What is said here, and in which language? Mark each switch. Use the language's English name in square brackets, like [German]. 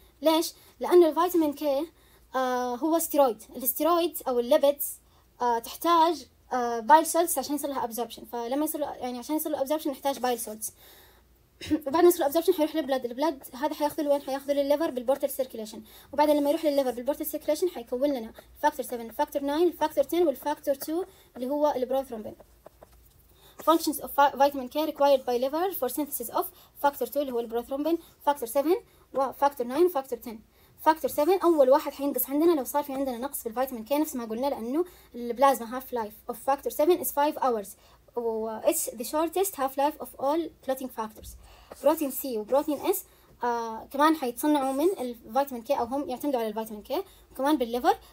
[Arabic] ليش؟ لأن الفيتامين كي هو ستيرويد، الستيرويد أو الليبيدز تحتاج بايل سولتس عشان يصير لها ابزوربشن، فلما يصير يعني عشان يصير لها ابزوربشن نحتاج بايل سولتس. وبعد ما يصير الابزوربشن حيروح للبلد، البلد هذا حياخذه لوين؟ حياخذه للليفر بالبورتال سيركيليشن، وبعدين لما يروح للليفر بالبورتال سيركيليشن حيكون لنا فاكتور 7، فاكتور 9، فاكتور 10 والفاكتور 2 اللي هو البروثرومبين. [English] functions of vitamin K required by liver for synthesis of factor 2 [Arabic] اللي هو البروثرومبين, [English] factor 7 وفاكتور 9 وفاكتور 10. [Arabic] فاكتور 7 اول واحد حينقص عندنا لو صار في عندنا نقص في الفيتامين كي, نفس ما قلنا لانه [English] البلازما half life of factor 7 is 5 hours what's the shortest half life of all clotting factors. [Arabic] بروتين سي وبروتين اس كمان حيتصنعوا من الفيتامين كي, او هم يعتمدوا على الفيتامين كي كمان بالليفر.